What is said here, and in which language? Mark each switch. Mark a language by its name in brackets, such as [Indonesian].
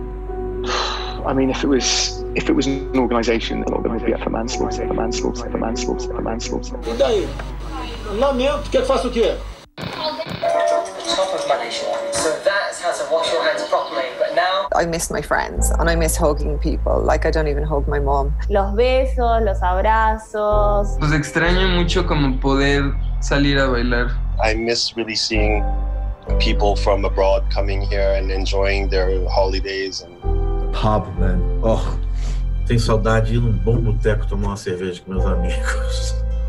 [English] I mean, if it was an organisation, a lot of them would be up for manslaughter, for manslaughter, for manslaughter, for manslaughter. [Portuguese] E daí? Lamento, quer que faça o quê? [English] I miss my friends and I miss hugging people like I don't even hug my mom. [Spanish] Los besos, los abrazos. Pues extraño mucho como poder salir a bailar. [English] I miss really seeing people from abroad coming here and enjoying their holidays and. Pub, man. [Portuguese] Oh, tenho saudade de ir num bom boteco tomar uma cerveja com meus amigos.